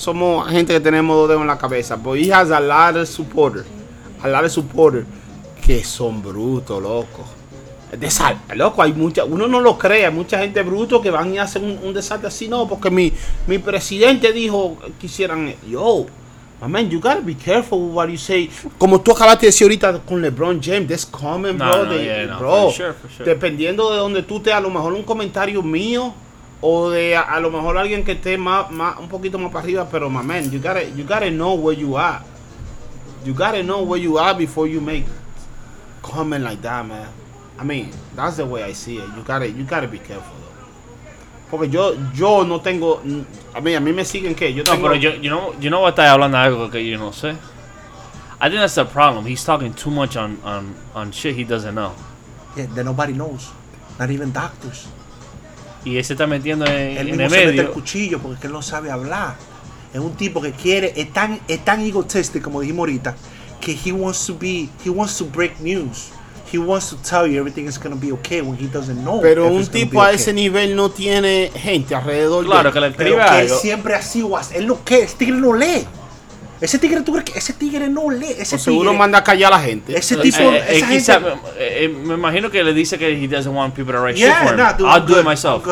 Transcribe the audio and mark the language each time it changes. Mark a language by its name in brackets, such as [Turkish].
[Spanish] Somos gente que tenemos dos dedos en la cabeza. [English] But he has a lot of supporters. A lot of supporters. [Spanish] Que son brutos, loco. Loco, hay mucha. Uno no lo cree, hay mucha gente bruto que van y hacen un desastre así. No, porque mi presidente dijo que hicieran. Yo. [English] My man, you gotta be careful with what you say. [Spanish] Como tú acabaste de decir ahorita con LeBron James, [English] that's common, bro. [Spanish] Dependiendo de donde tú estés, a lo mejor un comentario mío o de a lo mejor alguien que esté más un poquito más para arriba, pero [English] my man, you gotta know where you are. You gotta know where you are before you make comment like that, man. I mean, that's the way I see it. You gotta be careful. [Spanish] Porque yo no tengo. A mí me siguen que. Yo no voy a estar hablando de algo que yo no sé. [English] I think that's the problem. He's talking too much on shit he doesn't know. Yeah, that nobody knows. Not even doctors. [Spanish] Y ese está metiendo en el medio. Él mismo se mete el cuchillo porque es que él no sabe hablar. Es un tipo que quiere. Es tan egotistic, como dijimos ahorita, que [English] he wants to break news. He wants to tell you everything is gonna be okay when he doesn't know. [Spanish] Pero un tipo a ese nivel no tiene gente alrededor. Claro que le escriba. Él siempre así was. Él lo que, ese tigre no lee. Ese tigre, ¿tú crees que ese tigre no lee? Ese tigre. Seguro manda a callar a la gente. Ese tipo, esa gente. Me imagino que le dice que [English] he doesn't want people to write shit for him. I'll do it myself.